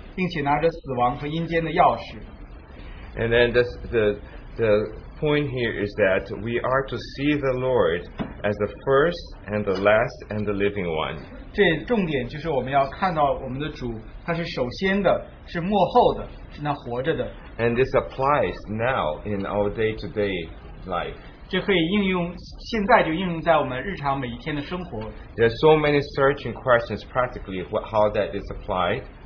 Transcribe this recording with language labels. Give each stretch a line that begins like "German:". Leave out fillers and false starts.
Chinese: 他用右手按着我说：“不要惧怕，我是首先，我是末后的，又是那存活的。我曾死过，现在又活了，直活到永永远远，并且拿着死亡和阴间的钥匙。”
English: And then the point here is that we are to see the Lord as the first and the last and the living one.
Chinese: 这重点就是我们要看到我们的主。它是首先的,是末后的, 是那活着的。
English: And this applies now in our day-to-day life.
Chinese: 这可以应用,现在就应用在我们日常每一天的生活。
English: There are so many searching questions practically how that is applied.